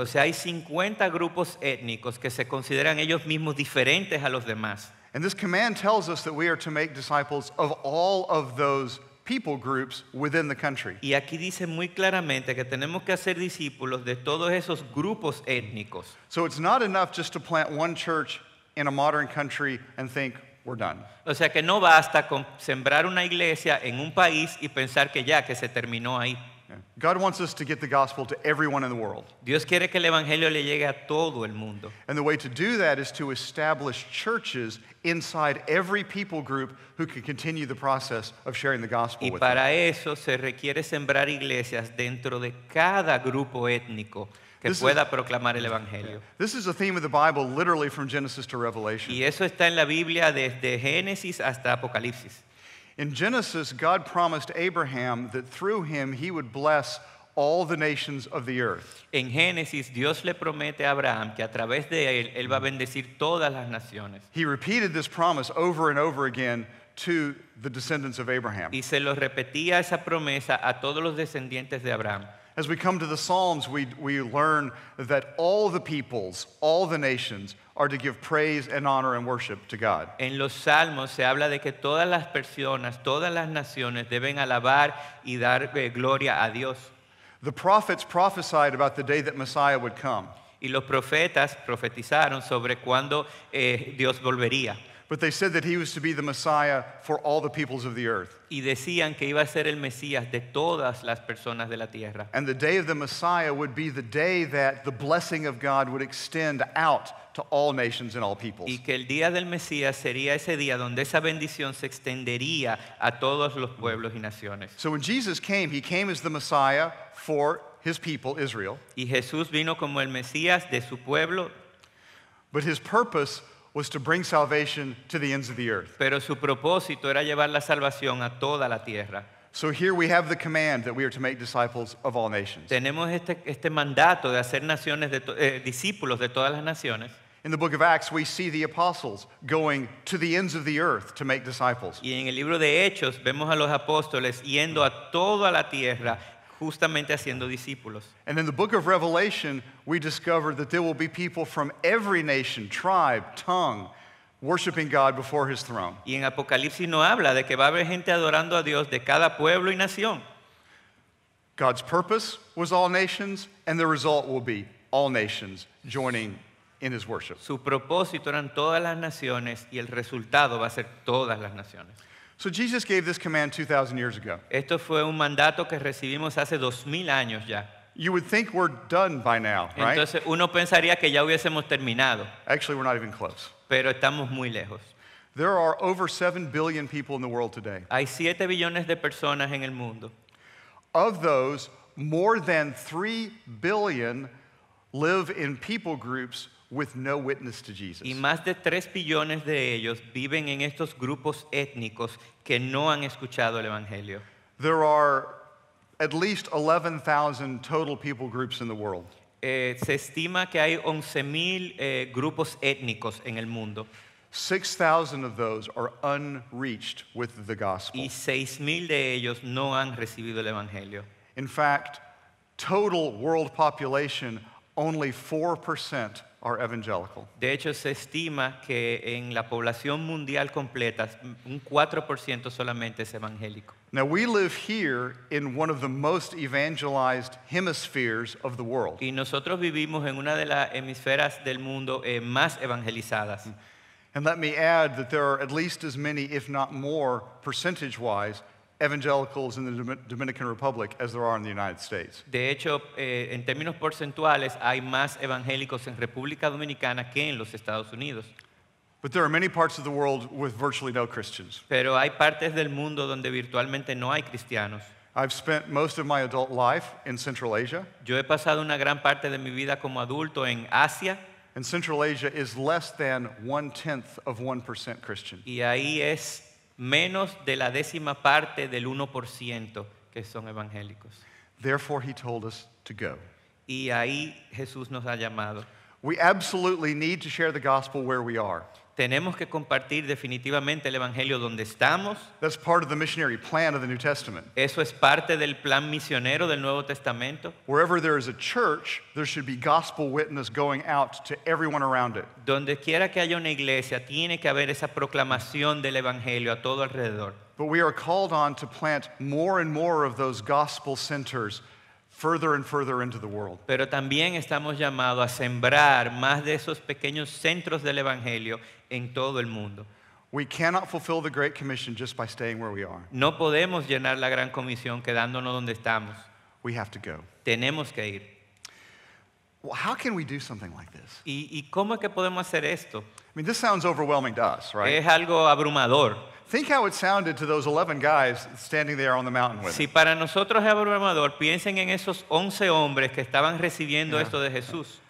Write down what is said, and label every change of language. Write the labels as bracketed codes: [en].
[es] O sea, hay 50 grupos étnicos que se consideran ellos mismos diferentes a los demás. [en] And this command tells us that we are to make disciples of all of those people groups within the country. [es] Y aquí dice muy claramente que tenemos que hacer discípulos de todos esos grupos étnicos. [en] So it's not enough just to plant one church in a modern country and think we're done. [es] O sea que no basta con sembrar una iglesia en un país y pensar que ya que se terminó ahí. [en] God wants us to get the gospel to everyone in the world. [es] Dios quiere que el evangelio le llegue a todo el mundo. [en] And the way to do that is to establish churches inside every people group who can continue the process of sharing the gospel [es] y [en] with [es] para [en] them. [es] Eso se requiere sembrar iglesias dentro de cada grupo étnico que [en] this [es] pueda [en] is, [es] proclamar el evangelio. Yeah. [en] This is a theme of the Bible literally from Genesis to Revelation. [es] Y eso está en la Biblia desde Génesis hasta Apocalipsis. [en] In Genesis, God promised Abraham that through him he would bless all the nations of the earth. [es] En Génesis, Dios le promete a Abraham que a través de él, él va a bendecir todas las naciones. [en] He repeated this promise over and over again to the descendants of Abraham. [es] Y se lo repetía esa promesa a todos los descendientes de Abraham. [en] As we come to the Psalms, we learn that all the peoples, all the nations, are to give praise and honor and worship to God. [es] En los Salmos se habla de que todas las personas, todas las naciones deben alabar y dar gloria a Dios. [en] The prophets prophesied about the day that Messiah would come. [es] Y los profetas profetizaron sobre cuándo Dios volvería. [en] But they said that he was to be the Messiah for all the peoples of the earth. [es] Y decían que iba a ser el Mesías de todas las personas de la tierra. [en] And the day of the Messiah would be the day that the blessing of God would extend out to all nations and all peoples. [es] Y que el día del Mesías sería ese día donde esa bendición se extendería a todos los pueblos y naciones. [en] So when Jesus came, he came as the Messiah for his people, Israel. [es] Y Jesús vino como el Mesías de su pueblo. [en] But his purpose was to bring salvation to the ends of the earth. [es] Pero su propósito era llevar la salvación a toda la tierra. [en] So here we have the command that we are to make disciples of all nations. [es] Tenemos este mandato de hacer naciones de discípulos de todas las naciones. [en] In the book of Acts, we see the apostles going to the ends of the earth to make disciples. [es] Y en el libro de Hechos vemos a los apóstoles yendo a toda la tierra justamente haciendo discípulos. [en] And in the book of Revelation, we discover that there will be people from every nation, tribe, tongue, worshiping God before his throne. [es] Y en Apocalipsis no habla de que va a haber gente adorando a Dios de cada pueblo y nación. [en] God's purpose was all nations, and the result will be all nations joining in his worship. [es] Su propósito eran todas las naciones, y el resultado va a ser todas las naciones. [en] So Jesus gave this command 2,000 years ago. [es] Esto fue un mandato que recibimos hace 2,000 años ya. [en] You would think we're done by now, right? [es] Entonces uno pensaría que ya hubiésemos terminado. [en] Actually, we're not even close. [es] Pero estamos muy lejos. [en] There are over 7 billion people in the world today. [es] Hay 7 billones de personas en el mundo. [en] Of those, more than 3 billion live in people groups with no witness to Jesus. [es] Y más de 3 billones de ellos viven en estos grupos étnicos que no han escuchado el evangelio. [en] There are at least 11,000 total people groups in the world. [es] Se estima que hay 11,000 grupos étnicos en el mundo. [en] 6,000 of those are unreached with the gospel. [es] Y 6,000 de ellos no han recibido el evangelio. [en] In fact, total world population, only 4% are evangelical. [es] De hecho, se estima que en la población mundial completa, un 4% solamente es evangélico. [en] Now we live here in one of the most evangelized hemispheres of the world. [es] Y nosotros vivimos en una de las hemisferas del mundo más evangelizadas. [en] And let me add that there are at least as many, if not more, percentage-wise, evangelicals in the Dominican Republic as there are in the United States. [es] De hecho, en términos porcentuales, hay más evangélicos en República Dominicana que en los Estados Unidos. [en] But there are many parts of the world with virtually no Christians. [es] Pero hay partes del mundo donde virtualmente no hay cristianos. [en] I've spent most of my adult life in Central Asia. [es] Yo he pasado una gran parte de mi vida como adulto en Asia. [en] And Central Asia is less than 0.1% Christian. [es] Y ahí es menos de la décima parte del 1% que son evangélicos. [en] Therefore, he told us to go. [es] Y ahí Jesús nos ha llamado. [en] We absolutely need to share the gospel where we are. [es] Tenemos que compartir definitivamente el evangelio donde estamos. [en] That's part of the missionary plan of the New Testament. [es] Eso es parte del plan misionero del Nuevo Testamento. [en] Wherever there is a church, there should be gospel witness going out to everyone around it. [es] Donde quiera que haya una iglesia, tiene que haber esa proclamación del evangelio a todo alrededor. [en] But we are called on to plant more and more of those gospel centers further and further into the world. [es] Pero también estamos llamados a sembrar más de esos pequeños centros del evangelio en todo el mundo. [en] We cannot fulfill the Great Commission just by staying where we are. [es] No podemos llenar la Gran Comisión quedándonos donde estamos. [en] We have to go. [es] Tenemos que ir. [en] Well, how can we do something like this? [es] ¿Y cómo es que podemos hacer esto? [en] I mean, this sounds overwhelming to us, right? [es] Es algo abrumador. [en] Think how it sounded to those 11 guys standing there on the mountain with him. [es] Si para nosotros es abrumador, piensen en esos 11 hombres que estaban recibiendo esto de Jesús.